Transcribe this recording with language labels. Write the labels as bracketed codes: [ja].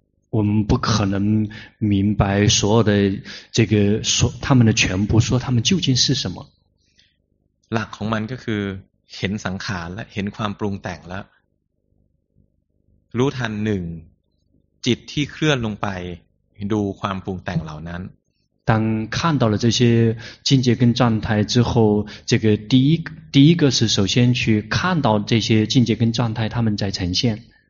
[zh] 我们不可能明白所有的这个说他们的全部说他们究竟是什么 [th] หลักของมันก็คือเห็นสังขารและเห็นความปรุงแต่งแล้วรู้ทันหนึ่งจิตที่เคลื่อนลงไปดูความปรุงแต่งเหล่านั้น [zh] 当看到了这些境界跟状态之后，这个第一个是首先去看到这些境界跟状态，他们在呈现。